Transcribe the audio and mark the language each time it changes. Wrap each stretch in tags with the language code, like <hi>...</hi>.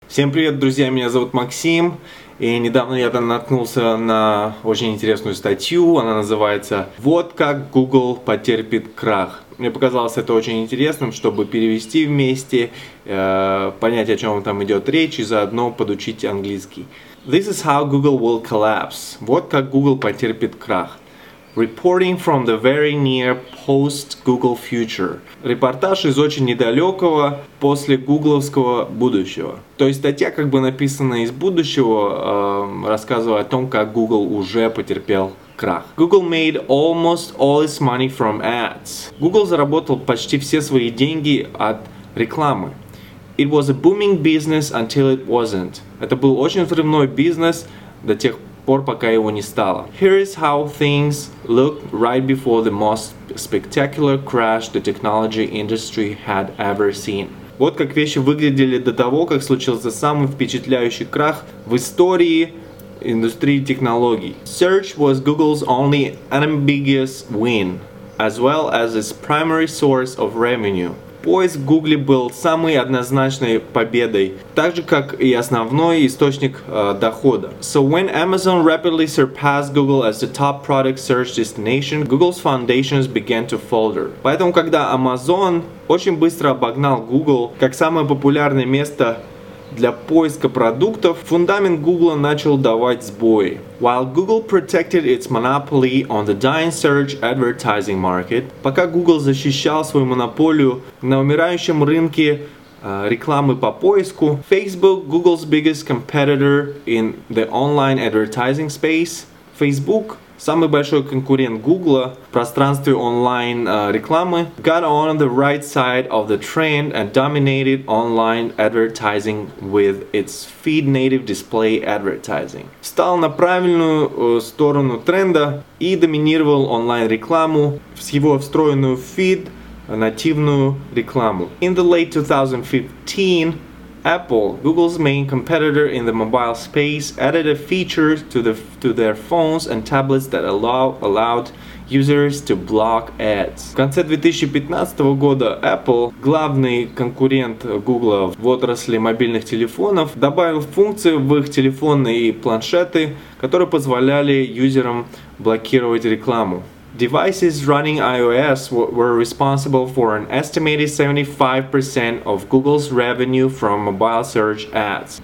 <ru>Всем привет, друзья, меня зовут Максим, и недавно я наткнулся на очень интересную статью, она называется «Вот как Google потерпит крах». Мне показалось это очень интересным, чтобы перевести вместе, понять, о чем там идет речь, и заодно подучить английский.</ru> <en>This is how Google will collapse.</en> <ru>Вот как Google потерпит крах.</ru> <en>Reporting from the very near post-Google future.</en> <ru>Репортаж из очень недалекого после-гугловского будущего. То есть статья как бы написана из будущего, рассказывая о том, как Google уже потерпел крах.</ru> <en>Google made almost all its money from ads.</en> <ru>Google заработал почти все свои деньги от рекламы.</ru> <en>It was a booming business until it wasn't.</en> <ru>Это был очень взрывной бизнес до тех пор, пока его не стало.</ru> <en>Here is how things looked right before the most spectacular crash the technology industry had ever seen.</en> <ru>Вот как вещи выглядели до того, как случился самый впечатляющий крах в истории индустрии технологий.</ru> <en>Search was Google's only unambiguous win, as well as its primary source of revenue.</en> <ru>Поиск в Гугле был самой однозначной победой, так же как и основной источник дохода.</ru> <en>So when Amazon rapidly surpassed Google as the top product search destination, Google's foundations began to falter.</en> <ru>Поэтому, когда Amazon очень быстро обогнал Google как самое популярное место для поиска продуктов, фундамент Google начал давать сбои.</ru> <en>While Google protected its monopoly on the dying search advertising market,</en> <ru>пока Google защищал свою монополию на умирающем рынке рекламы по поиску,</ru> <en>Facebook, Google's biggest competitor in the online advertising space,</en> <ru>Facebook, самый большой конкурент Google в пространстве онлайн рекламы,</ru> <en>got on the right side of the trend and dominated online advertising with its feed-native display advertising.</en> <ru>Встал на правильную сторону тренда и доминировал онлайн рекламу с его встроенную feed-нативную рекламу.</ru> <en>In the late 2015, Apple, Google's main competitor in the mobile space, added a feature to their phones and tablets that allowed users to block ads.</en> <ru>В конце 2015 года Apple, главный конкурент Google в отрасли мобильных телефонов, добавил функцию в их телефоны и планшеты, которые позволяли юзерам блокировать рекламу.</ru> <en>Devices running iOS were responsible for an estimated 75% of Google's revenue from mobile search ads.</en>